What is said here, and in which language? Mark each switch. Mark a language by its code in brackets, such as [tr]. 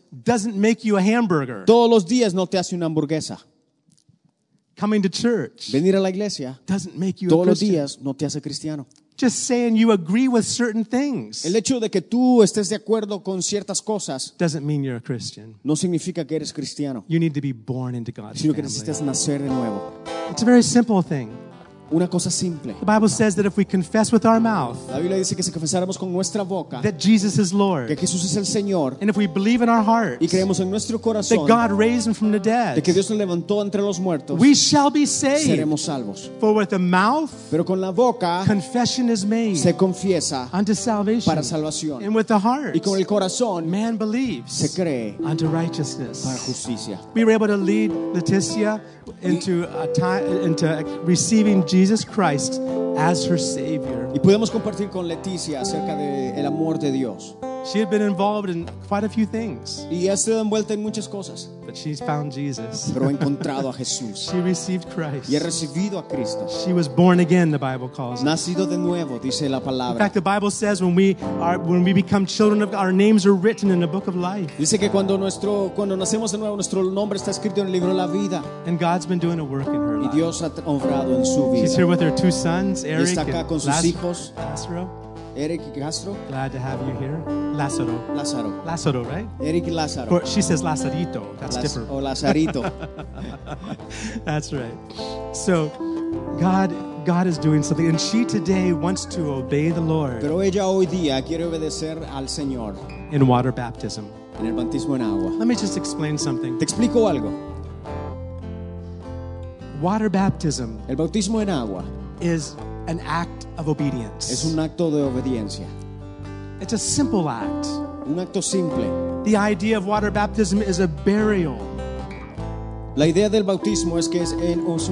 [en] Doesn't make you a hamburger. [es] Todos los días no te hace una hamburguesa. [en] Coming to church. [es] Venir a la iglesia. [en] Doesn't make you [es] todos [en] a Christian. [es] Todos los días no te hace cristiano. [en] Just saying you agree with certain things. [es] El hecho de que tú estés de acuerdo con ciertas cosas. [en] Doesn't mean you're a Christian. [es] No significa que eres cristiano. [en] You need to be born into God's family. [es] Sino que necesitas nacer de nuevo. [en] It's a very simple thing. [es] Una cosa simple. [en] The Bible says that if we confess with our mouth, [es] la Biblia dice que si confesáramos con nuestra boca, [en] that Jesus is Lord, [es] que Jesús es el Señor, [en] and if we believe in our hearts, [es] y creemos en nuestro corazón, [en] that God raised him from the dead, [es] de que Dios lo levantó entre los muertos, [en] we shall be saved. [es] Seremos salvos. [en] For with the mouth, [es] pero con la boca, [en] confession is made, [es] se confiesa, [en] unto salvation, [es] para salvación, [en] and with the heart, [es] y con el corazón, [en] man believes, [es] se cree, [en] unto righteousness, [es] para justicia. [en] We were able to lead Leticia into receiving Jesus Christ as her Savior. [es] Y pudimos compartir con Leticia acerca de el amor de Dios. [en] She had been involved in quite a few things. [es] Y ha sido envuelta en muchas cosas. [en] But she's found Jesus. [es] Pero ha encontrado a Jesús. [en] She received Christ. [es] Y ha recibido a Cristo. [en] She was born again, the Bible calls it. [es] Nacido de nuevo, dice la palabra. [en] In fact, the Bible says when we become children of God, our names are written in the book of life. [es] Dice que cuando nacemos de nuevo, nuestro nombre está escrito en el libro de la vida. [en] And God's been doing a work in her life. [es] Y Dios ha obrado en su vida. [en] She's here with her two sons, Eric [es] y está acá con [en] and [es] sus hijos. Lázaro. Eric Castro. [en] Glad to have you here. Lázaro. [es] Lázaro. [en] Lázaro, right? [es] Eric Lázaro. [en] Or she says Lazarito. That's different. [es] O Lazarito. [en] That's right. So God is doing something, and she today wants to obey the Lord. [es] Pero ella hoy día quiere obedecer al Señor. [en] In water baptism. [es] En el bautismo en agua. [en] Let me just explain something. [es] Te explico algo. [en] Water baptism. [es] El bautismo en agua. [en] Is an act of obedience. [es] Es un acto de obediencia. [en] It's a simple act. [es] Un acto simple. [en] The idea of water baptism is a burial. [es] La idea del bautismo es que es en